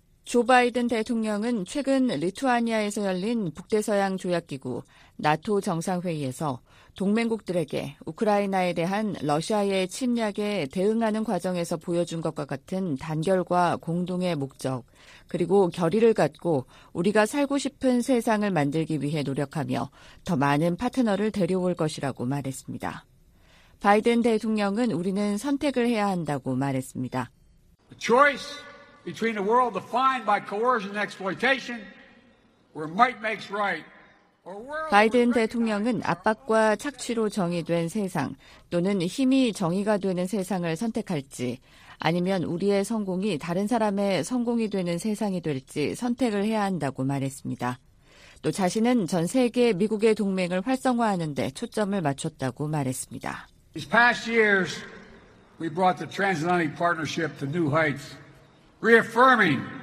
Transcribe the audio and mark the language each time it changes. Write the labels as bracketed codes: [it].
[ko] 조 바이든 대통령은 최근 리투아니아에서 열린 북대서양 조약기구 나토 정상회의에서 동맹국들에게 우크라이나에 대한 러시아의 침략에 대응하는 과정에서 보여준 것과 같은 단결과 공동의 목적, 그리고 결의를 갖고 우리가 살고 싶은 세상을 만들기 위해 노력하며 더 많은 파트너를 데려올 것이라고 말했습니다. 바이든 대통령은 우리는 선택을 해야 한다고 말했습니다. [en] The choice between a world defined by coercion and exploitation where might makes right. [ko] 바이든 대통령은 압박과 착취로 정의된 세상 또는 힘이 정의가 되는 세상을 선택할지 아니면 우리의 성공이 다른 사람의 성공이 되는 세상이 될지 선택을 해야 한다고 말했습니다. 또 자신은 전 세계 미국의 동맹을 활성화하는 데 초점을 맞췄다고 말했습니다. [en] These past years, we brought the transatlantic partnership to new heights, reaffirming